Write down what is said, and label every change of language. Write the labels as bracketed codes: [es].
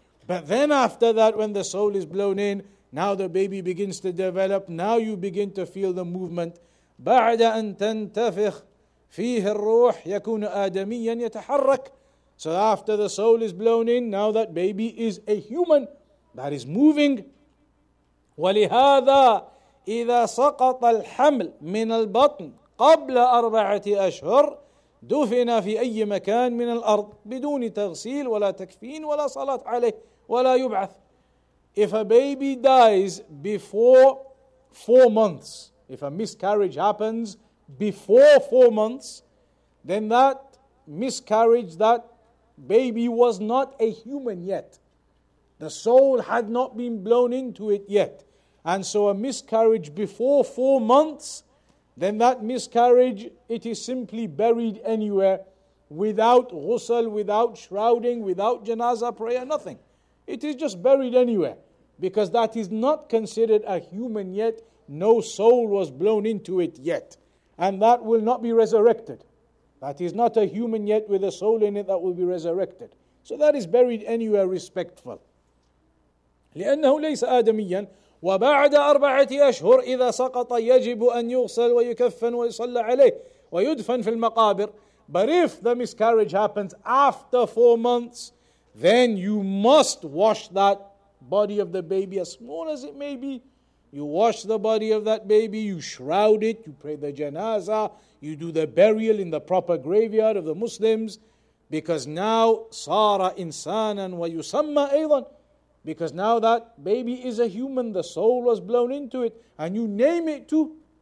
[en] But then after that, when the soul is blown in, now the baby begins to develop, now you begin to feel the movement. [ar] بَعْدَ أَن تَنْتَفِخْ فِيهِ الرُّوحِ يَكُونُ آدَمِيًّا يَتَحَرَّكْ. [en] So after the soul is blown in, now that baby is a human that is moving. [ar] وَلِهَذَا إِذَا سَقَطَ الْحَمْلُ مِنَ الْبَطْنِ قَبْلَ 4 أَشْهُرٍ دفن في أي مكان من الأرض بدون تغسيل ولا تكفين ولا صلاة عليه ولا يبعث. [en] If a baby dies before 4 months, if a miscarriage happens before 4 months, then that miscarriage, that baby was not a human yet. The soul had not been blown into it yet. And so a miscarriage before 4 months, then that miscarriage, it is simply buried anywhere without ghusl, without shrouding, without janazah prayer, nothing. It is just buried anywhere because that is not considered a human yet. No soul was blown into it yet. And that will not be resurrected. That is not a human yet with a soul in it that will be resurrected. So that is buried anywhere respectful. [ar] لأنه ليس آدميا وبعد أربعة أشهر إذا سقط يجب أن يغسل ويكفن ويصلى عليه ويدفن في المقابر. [en] But if the miscarriage happens after 4 months, then you must wash that body of the baby, as small as it may be. You wash the body of that baby, you shroud it, you pray the janazah, you do the burial in the proper graveyard of the Muslims, because now [ar] sara insanan wa yusamma aydan, [en] because now that baby is a human, the soul was blown into it, and you name it too.